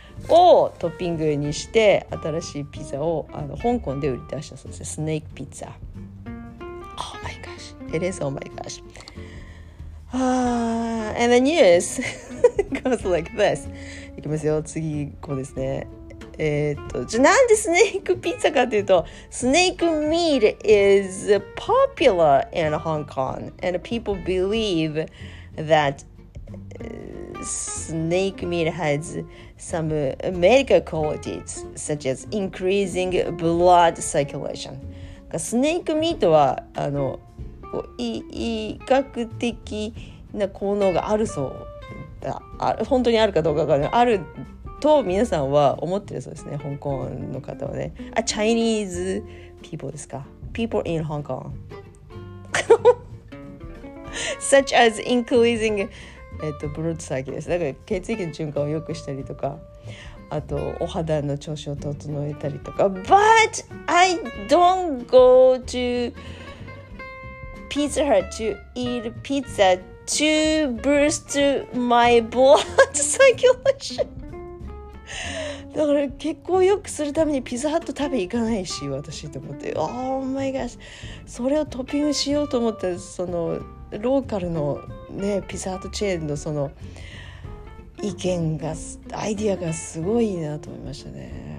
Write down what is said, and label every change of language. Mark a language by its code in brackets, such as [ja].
[ja] をトッピングにして、新しいピザを香港で売り出したそうです。スネークピザ。 [en] Oh my gosh. It is oh my gosh. And the news goes like this. [ja] いきますよ、次、こうですね。じゃあなんでスネークピザかというと、 [en] スネークミート is popular in Hong Kong and people believe that snake meat has some medical qualities such as increasing blood circulation。 [ja] スネークミートは医学的な効能があるそうだ。本当にあるかどうかがあると皆さんは思ってるそうですね、香港の方はね。 [en] あ、Chinese people [ja] ですか。 [en] People in Hong Kong. Such as increasing blood circulation [ja] です。だから血液の循環を良くしたりとか、あとお肌の調子を整えたりとか。 [en] But I don't go to Pizza Hut to eat pizza to boost my blood circulation. [ja] だから血行を良くするためにピザハット食べ行かないし私と思って、 [en] Oh my gosh、 [ja] それをトッピングしようと思ったそのローカルの、ね、ピザハットチェーンのその意見がアイディアがすごいなと思いましたね。